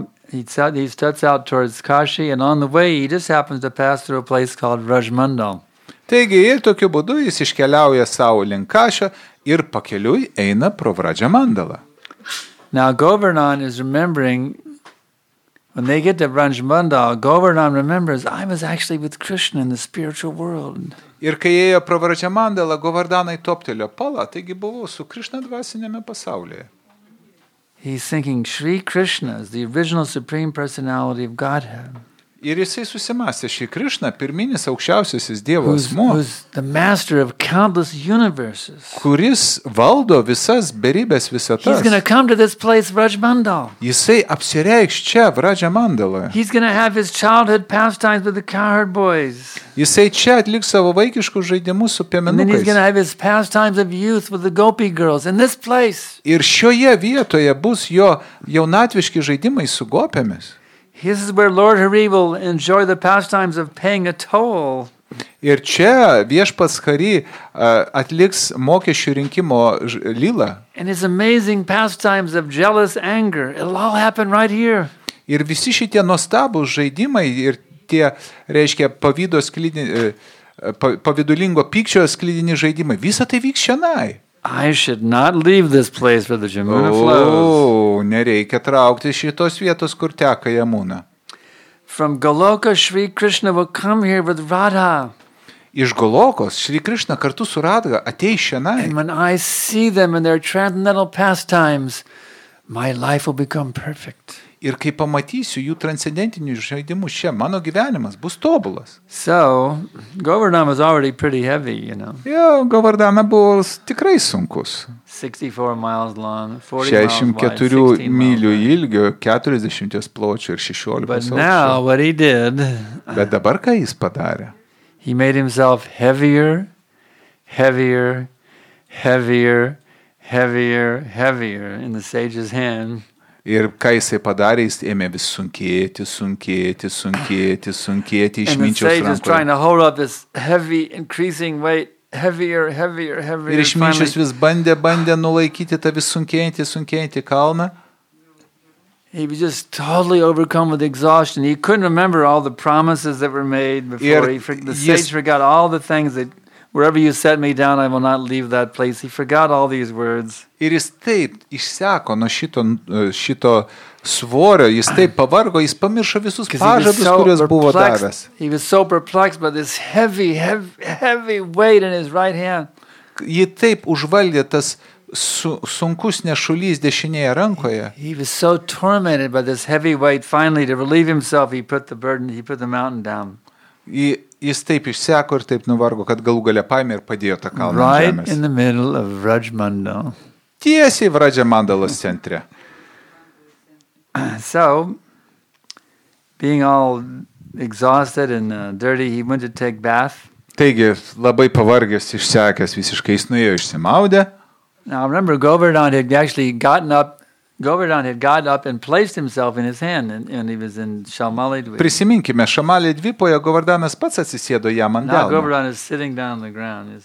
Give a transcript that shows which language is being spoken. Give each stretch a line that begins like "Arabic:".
English: He sets out towards Kashi, and on the way he just happens to pass through a place called Vrajmundal.
Lithuanian: Taigi ir tokiu būdu jis iškeliauja savo link Kašio ir pakeliui eina pro Vrajamandalą.
English: Now Govardhan is remembering when they get to Vrajmundal, Govardhan remembers I was actually with Krishna in the spiritual world.
Lithuanian: Ir kai ėjo pro Vrajamandalą, Govardhanai toptelio pala, taigi buvo su Krishna dvasiniame pasaulyje.
English: He's thinking Shri Krishna is the original supreme personality of Godhead.
Lithuanian: Ir jisai susimąstė, šį Krišną, pirminis aukščiausiasis Dievo asmo, kuris valdo visas beribės visatas. Jisai apsireikš čia, Vraja Mandaloje. Jisai čia atlik savo vaikiškus žaidimus su piemenukais. Ir šioje vietoje bus jo jaunatviški žaidimai su gopėmis.
English: This is where Lord Hari will enjoy the pastimes of paying a toll.
Lithuanian: Ir čia viešpats Hari atliks mokesčių rinkimo lylą.
English: And his amazing pastimes of jealous anger. It'll all happen right here.
Lithuanian: Ir visi šitie nuostabūs žaidimai ir tie, reiškia, pavidulingo pykčio sklidini žaidimai, visa tai vyks šianai.
English: I should not leave this place where the Jamuna flows.
Lithuanian: Nereikia traukti šitos vietos, kur teka Jamuna.
English: From Goloka, Shri Krishna will come here with Radha.
Lithuanian: Iš Golokos, Shri Krishna kartu su Radha ateis šianai.
English: And when I see them in their transcendental pastimes, my life will become perfect.
Lithuanian: Ir kai pamatysiu jų transcendentinius žaidimus čia, mano gyvenimas bus tobulas.
English: So, Govardhana was already pretty heavy, you know.
Lithuanian: Jo, Govardhana buvo tikrai sunkus.
English: 64 miles long,
Lithuanian: 64 mylių ilgio, 40 pločių ir 16 aukščių.
English: But now what he did?
Lithuanian: Bet dabar ką jis padarė?
English: He made himself heavier, heavier, heavier, heavier, heavier in the sage's hand.
Lithuanian: Ir ką jisai padarė, jis ėmė vis sunkėti, sunkėti, sunkėti, sunkėti išminčiaus rankoje.
English: And the sage is trying to hold up this heavy increasing weight, heavier, heavier, heavier.
Lithuanian: Ir išminčius vis bandė nulaikyti tą vis sunkėjantį, sunkėjantį kalną.
English: He was just totally overcome with exhaustion. He couldn't remember all the promises that were made before. The sage forgot all the things that wherever you set me down, I will not leave that place. He forgot all these words.
Lithuanian: Ir jis taip išseko nuo šito svorio, jis taip pavargo, jis pamiršo visus pažadus, kuriuos buvo davęs.
English: He was so perplexed by this heavy, heavy weight in his right hand.
Lithuanian: Jį taip užvaldė tas sunkus nešulys dešinėje rankoje.
English: He was so tormented by this heavy weight. Finally, to relieve himself, he put the mountain down.
Lithuanian: Jis taip išseko ir taip nuvargo, kad galų galę paėmė ir padėjo tą kalną
English: right
Lithuanian: žemės.
English: In the middle of Vraja Mandal.
Lithuanian: Tiesiai Vraja Mandalos centre.
English: So, being all exhausted and dirty, he went to take bath.
Lithuanian: Taigi, labai pavargęs, išsekęs, visiškai jis nuėjo išsimaudę.
English: Now, remember, Govardhan had gotten up and placed himself in his hand and he was in Shamali Dvipa.
Lithuanian: Prisiminkime, Shamali Dvipoje Govardhanas pats atsisėdo jam ant delno.
English: Now Govardhan is sitting down on the ground.